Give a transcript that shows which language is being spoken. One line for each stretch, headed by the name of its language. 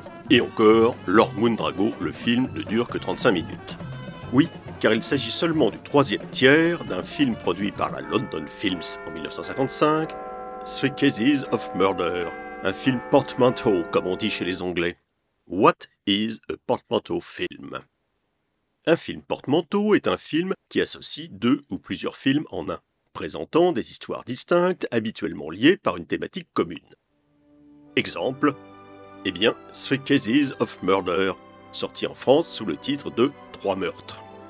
French: Et encore, Lord Mundrago, le film ne dure que 35 minutes. Oui, car il s'agit seulement du troisième tiers d'un film produit par la London Films en 1955, Three Cases of Murder, un film portmanteau, comme on dit chez les Anglais.
English: What is a portmanteau film?
French: Un film portmanteau est un film qui associe 2 ou plusieurs films en un, présentant des histoires distinctes, habituellement liées par une thématique commune. Exemple, eh bien, Three Cases of Murder, sorti en France sous le titre de Trois meurtres.